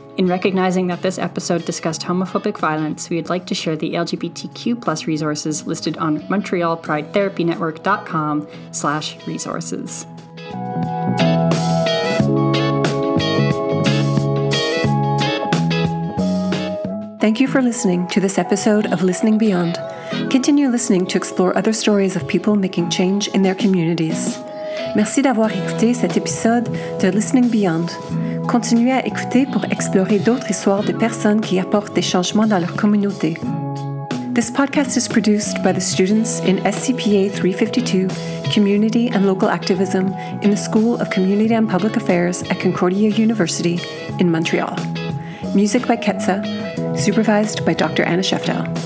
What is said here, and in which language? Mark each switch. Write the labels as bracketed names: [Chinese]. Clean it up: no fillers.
[English] In recognizing that this episode discussed homophobic violence, we would like to share the LGBTQ+ resources listed on montrealpridetherapynetwork.com/resources. Thank you for listening to this episode of Listening Beyond. Continue listening to explore other stories of people making change in their communities. [French] Merci d'avoir écouté cet épisode de Listening Beyond. Continuez à écouter pour explorer d'autres histoires de personnes qui apportent des changements dans leur communauté. [English] This podcast is produced by the students in SCPA 352, Community and Local Activism, in the School of Community and Public Affairs at Concordia University in Montreal. Music by Ketza, supervised by Dr. Anna Sheftel.